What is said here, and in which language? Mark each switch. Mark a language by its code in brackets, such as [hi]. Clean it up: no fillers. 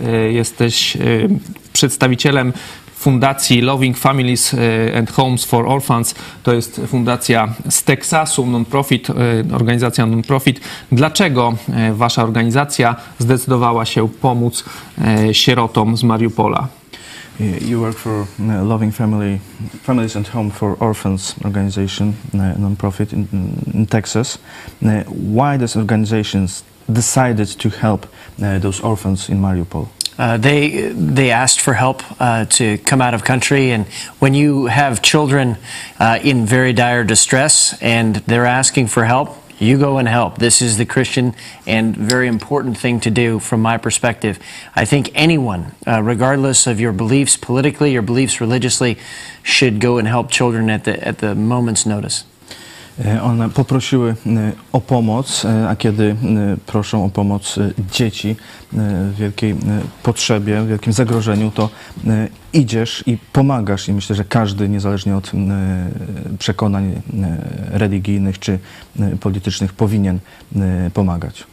[pl] Jesteś przedstawicielem fundacji Loving Families and Homes for Orphans. To jest fundacja z Teksasu, non-profit, organizacja non-profit. Dlaczego wasza organizacja zdecydowała się pomóc sierotom z Mariupola? [en] You work for Loving Families and Home for Orphans organization, non-profit in Texas. Why this organization decided to help those orphans in Mariupol? They asked for help to come out of country, and when you have children in very dire distress and they're asking for help, you go and help. This is the Christian and very important thing to do from my perspective. I think anyone, regardless of your beliefs politically, your beliefs religiously, should go and help children at the moment's notice. [pl] One poprosiły o pomoc, a kiedy proszą o pomoc dzieci w wielkiej potrzebie, w wielkim zagrożeniu, to idziesz i pomagasz. I myślę, że każdy, niezależnie od przekonań religijnych czy politycznych, powinien pomagać.